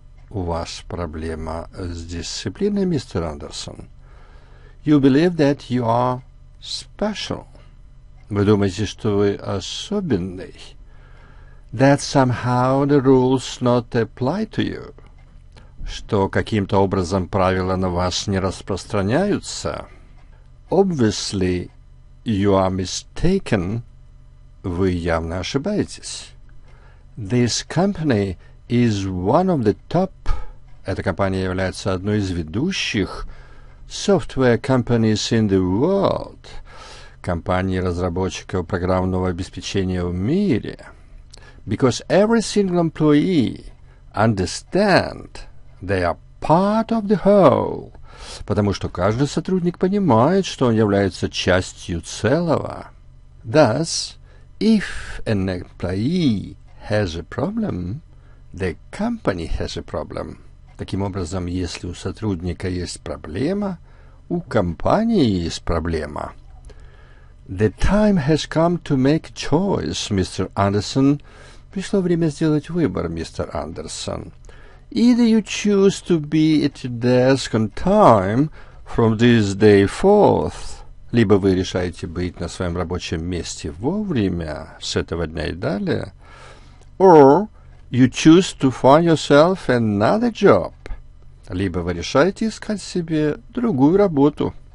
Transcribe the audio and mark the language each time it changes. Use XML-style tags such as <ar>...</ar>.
<ru>У вас проблема с дисциплиной, Mr.</ru> <en>Anderson. You believe that you are special.</en> <ru>Вы думаете, что вы особенный?</ru> <en>That somehow the rules not apply to you.</en> <ru>Что каким-то образом правила на вас не распространяются.</ru> <en>Obviously, you are mistaken.</en> <ru>Вы явно ошибаетесь.</ru> <en>This company is one of the top.</en> <ru>Эта компания является одной из ведущих</ru> <en>software companies in the world.</en> <ru>Компании разработчиков программного обеспечения в мире.</ru> <en>Because every single employee understand they are part of the whole.</en> <ru>Потому что каждый сотрудник понимает, что он является частью целого.</ru> <en>Thus, if an employee has a problem, the company has a problem.</en> <ru>Таким образом, если у сотрудника есть проблема, у компании есть проблема.</ru> <en>The time has come to make a choice, Mr. Anderson.</en> <ru>Пришло время сделать выбор, Mr.</ru> <en>Anderson. Either you choose to be at your desk on time from this day forth,</en> <ru>либо вы решаете быть на своем рабочем месте вовремя с этого дня и далее,</ru> <en>or you choose to find yourself another job,</en> <ru>либо вы решаете искать себе другую работу.</ru>